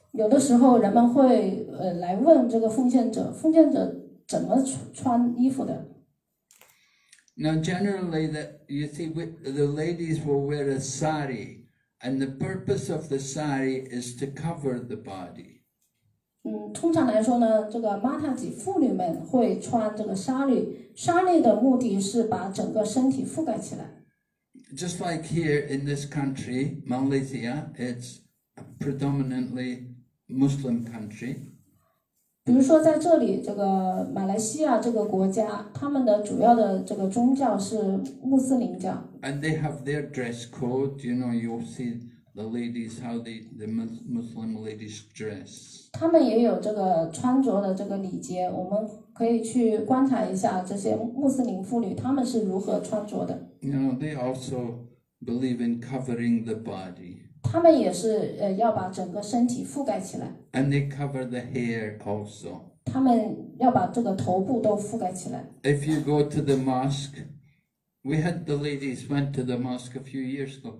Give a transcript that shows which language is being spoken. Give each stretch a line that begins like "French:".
Chinese: 有的时候人们会来问这个奉献者怎么穿衣服的。
English: Now generally that you see the ladies will wear a sari, and the purpose of the sari is to cover the body.
Chinese: 通常来说呢，这个玛塔吉妇女们会穿这个sari，sari的目的是把整个身体覆盖起来。
English: Just like here in this country, Malaysia, it's a predominantly Muslim country.
Chinese: 比如说在这里，这个马来西亚这个国家，他们的主要的这个宗教是穆斯林教。
English: And they have their dress code. You know, you'll see the ladies how the Muslim ladies dress.
Chinese: 他们也有这个穿着的这个礼节，我们可以去观察一下这些穆斯林妇女他们是如何穿着的。
English: You know, they also believe in covering the body.
Chinese: 他们也是要把整个身体覆盖起来。
English: And they cover the hair also.
Chinese: 他们要把这个头部都覆盖起来。
English: If you go to the mosque, we had the ladies went to the mosque a few years ago.